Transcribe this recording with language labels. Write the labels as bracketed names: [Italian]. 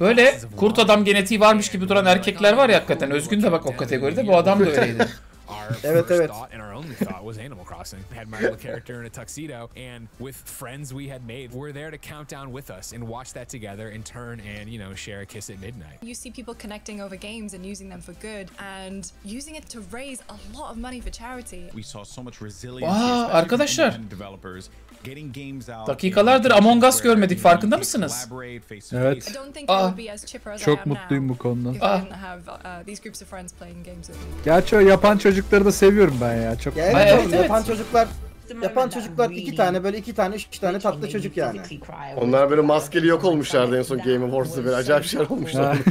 [Turkish] Böyle kurt adam genetiği varmış gibi duran erkekler var ya hakikaten. Özgün de bak o kategoride, bu adam da öyleydi. Evet, evet. [English] And our only thought was Animal Crossing. Had my little character in a tuxedo, and with friends we had made, were there to count down with us and watch that together in turn, and you know, share a kiss at midnight. You see people connecting over games and using them for good, and using it to raise a lot of money for charity. We saw so much resilience. [Turkish] Wow, arkadaşlar. [English] Developers getting games out. [Turkish] Dakikalardır Among Us görmedik, farkında mısınız? Evet. [English] I don't think I'll be as chipper as I am now. [Turkish] Çok mutluyum bu konudan. [English] These groups of friends playing games. [Turkish] Gerçi o yapan çocukları da seviyorum ben ya, çok. Ya evet, evet, yapan evet. Çocuklar, yapan çocuklar iki tane, böyle iki tane, üç tane tatlı çocuk yani. Onlar böyle maskeli yok olmuşlardı en son Game of Wars'ta, böyle acayip şeyler olmuşlardı.